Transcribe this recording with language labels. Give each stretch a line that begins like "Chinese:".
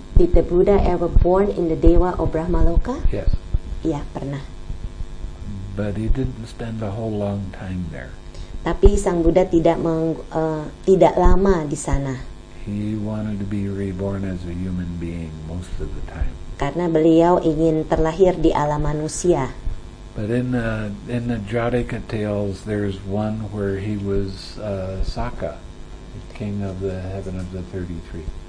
English: Did the Buddha ever born in the Dewa or Brahma Loka? Yes.
Indonesian: Ya, yeah, pernah.
English: But he didn't spend a whole long time there.
Indonesian: Tapi Sang Buddha tidak tidak lama di sana.
English: He wanted to be reborn as a human being most of the time.
Indonesian: Karena beliau ingin terlahir di alam manusia.
English: But in the Jataka tales, there's one where he was Saka, king of the heaven of the 33.